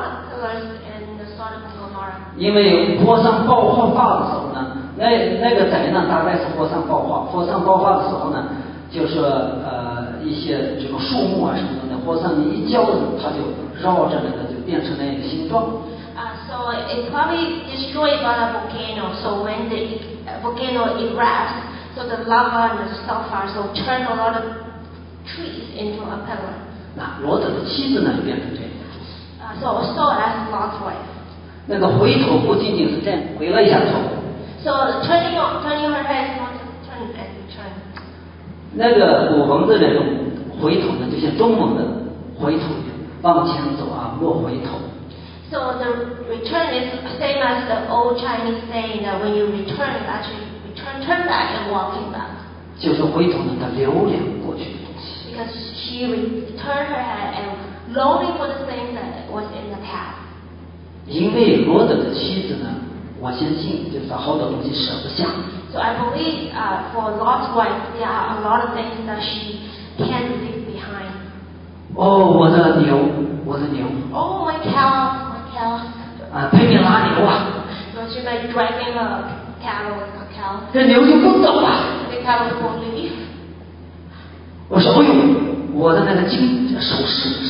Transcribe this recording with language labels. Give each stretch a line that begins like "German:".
English: So the archaeologists now found a lot of pillars in the Sodom and Gomorrah.
Chinese: 因为火山爆发的时候呢，那个灾难大概是火山爆发。火山爆发的时候呢，就是一些这个树木啊什么的，火山一浇，它就绕着那个就变成那个形状。
English: So it probably destroyed by the volcano. So when the volcano erupts, so the lava and the sulfur so turn a lot of trees into a pillar.
Chinese: 那罗德的妻子呢就变成这样。
English: So as Lot's wife.
Chinese: 那个回头不仅仅是这样，回了一下头。
English: So turning her head is not turn and turn.
Chinese: 那个古蒙的人回头呢，就像中蒙的回头，往前走啊，莫回头。
English: So the return is same as the old Chinese saying that when you return, actually return, turn back and walking back.
Chinese: 就是回头呢，他留恋过去的东西。
English: Because she returned her head and longing for the thing that was in the past.
Chinese: 因为罗德的妻子呢，我相信就是好多东西舍不下。
English: So I believe, for Lot's wife, there are a lot of things that she can't leave behind. Oh,
Chinese: 我的牛，我的牛。
English: Oh, my cow, my cow.
Chinese: 啊，拼命拉牛啊。
English: So she might dragging a cattle with a cow.
Chinese: 这牛就不走了。
English: The cattle won't leave.
Chinese: 我说，哎呦，我的那个金首饰。